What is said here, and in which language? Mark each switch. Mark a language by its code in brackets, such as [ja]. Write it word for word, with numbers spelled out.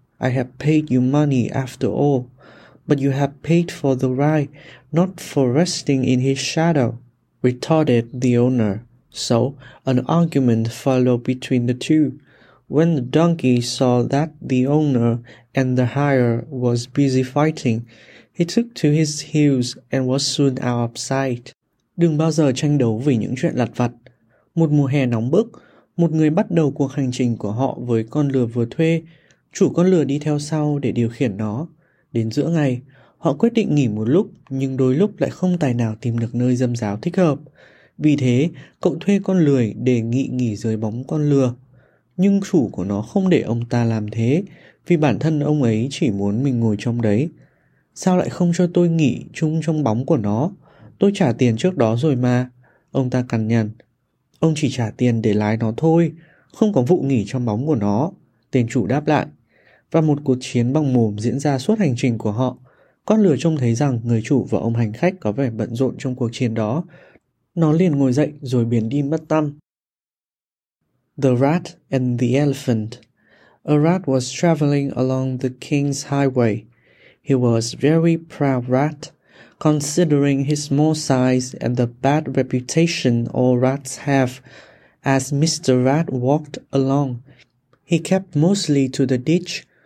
[en] I have paid you money after all, but you have paid for the ride, not for resting in his shadow," retorted the owner. So an argument followed between the two. When the donkey saw that the owner and the hirer was busy fighting, he took to his heels and was soon out of sight. [vi] Đừng bao giờ tranh đấu vì những chuyện lặt vặt. Một mùa hè nóng bức, một người bắt đầu cuộc hành trình của họ với con lừa vừa thuê. Chủ con lừa đi theo sau để điều khiển nó. Đến giữa ngày, họ quyết định nghỉ một lúc nhưng đôi lúc lại không tài nào tìm được nơi râm ráo thích hợp. Vì thế, cậu thuê con lười đề nghị nghỉ dưới bóng con lừa. Nhưng chủ của nó không để ông ta làm thế vì bản thân ông ấy chỉ muốn mình ngồi trong đấy. "Sao lại không cho tôi nghỉ chung trong bóng của nó? Tôi trả tiền trước đó rồi mà," ông ta cằn nhằn. "Ông chỉ trả tiền để lái nó thôi, không có vụ nghỉ trong bóng của nó," tên chủ đáp lại. Và một cuộc chiến bằng mồm diễn ra suốt hành trình của họ. Con lừa trông thấy rằng người chủ và ông hành khách có vẻ bận rộn trong cuộc chiến đó. Nó liền ngồi dậy rồi biến đi mất tăm. [en] The Rat and the Elephant. A rat was traveling along the king's highway. He was a very proud rat, considering his small size and the bad reputation all rats have. As Mister Rat walked along, he kept mostly to the ditch.